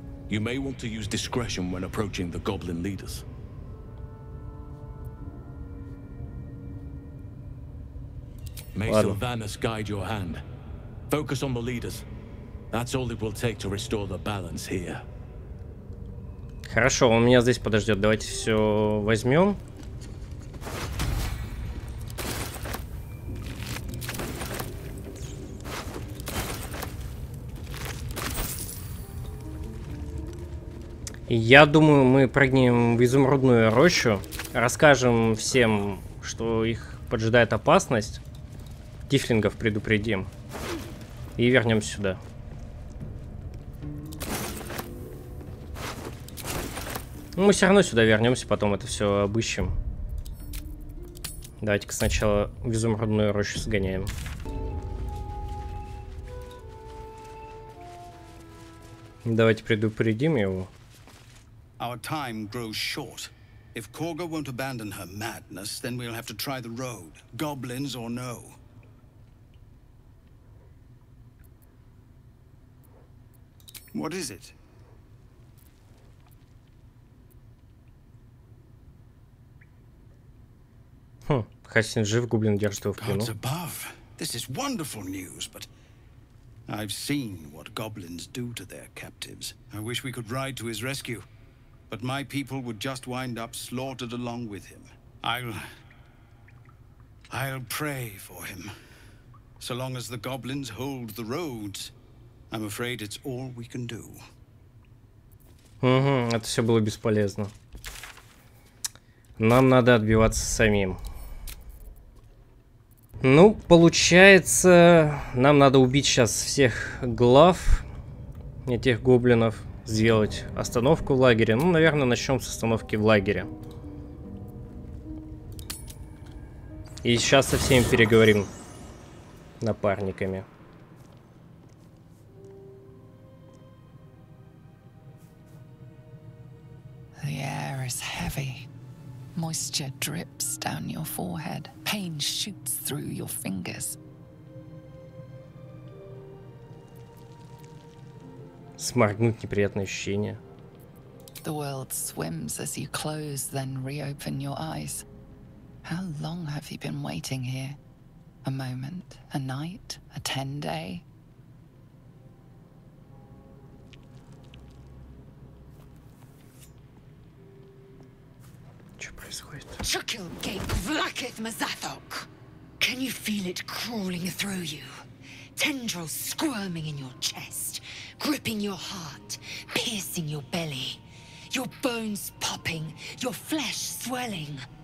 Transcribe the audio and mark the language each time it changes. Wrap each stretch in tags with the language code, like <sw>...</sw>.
<en>You may want to use discretion when approaching the goblin leaders. May Sylvanas guide your hand. Focus on the leaders. That's all it will take to restore the balance here.</en> <ru>Хорошо, он меня здесь подождет. Давайте все возьмем. Я думаю, мы прыгнем в изумрудную рощу. Расскажем всем, что их поджидает опасность. Тифлингов предупредим. И вернемся сюда. Мы все равно сюда вернемся, потом это все обыщем. Давайте-ка сначала в изумрудную рощу сгоняем. Давайте предупредим его.</ru> <en>Our time grows short. If Korga won't abandon her madness, then we'll have to try the road, goblins or no. What is it?</en> <ru>Хасин жив, гоблин держит его в плену.</ru> <en>Gods above. This is wonderful news, but I've seen what goblins do to their captives. I wish we could ride to his rescue. But my people would just wind up slaughtered along with him. I'll pray for him. So long as the goblins hold the roads, I'm afraid it's all we can do.</en> <ru>Это все было бесполезно. Нам надо отбиваться самим. Ну, получается, нам надо убить сейчас всех глав этих гоблинов. Сделать остановку в лагере. Ну, наверное, начнем с остановки в лагере. И сейчас со всеми переговорим. Напарниками.</ru> <en>The air is heavy. Moisture drips down your forehead. Pain shoots through your fingers.</en> <ru>Сморгнуть неприятное ощущение.</ru> <en>The world swims as you close, then reopen your eyes. How long have you been waiting here? A moment, a night, a 10 day?</en> <ru>Что происходит? Чукилгейк влакет мазаток.</ru> <en>Can you feel it crawling through you? Tendrils squirming in your chest, gripping your heart, piercing your belly, your bones popping, your flesh swelling.</en>